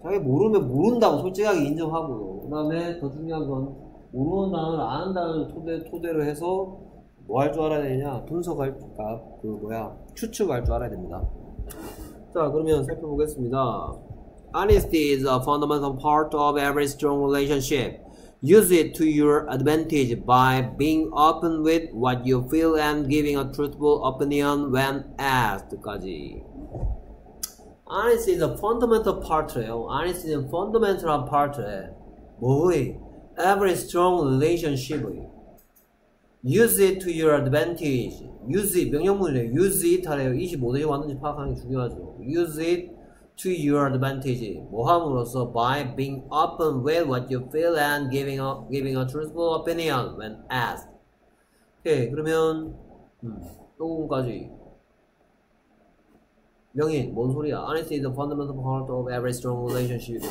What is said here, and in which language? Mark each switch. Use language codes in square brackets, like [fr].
[ko] 자기 모르면 모른다고 솔직하게 인정하고요. 그 다음에 더 중요한 건 모르는 단어를 아는 단어를 토대로 해서 뭐 할 줄 알아야 되냐, 분석할, 아, 그 뭐야, 추측할 줄 알아야 됩니다. 자, 그러면 살펴보겠습니다. [en] Honesty is a fundamental part of every strong relationship. Use it to your advantage by being open with what you feel and giving a truthful opinion when asked. [ko] 까지. [en] Honesty is a fundamental part래요. Honesty is a fundamental part래. [ko] 뭐의? [en] Every strong relationship의. Use it to your advantage. Use it [ko] 명령문이래. [en] Use it 하래요. [ko] 이 모델이 왔는지 파악하는 게 중요하죠. [en] Use it to your advantage. [ko] 모함으로써 [en] by being open with what you feel and giving a truthful opinion when asked. [ko] 오케이 그러면 조금까지 명인 뭔 소리야? [en] Honesty is the fundamental part of every strong relationship.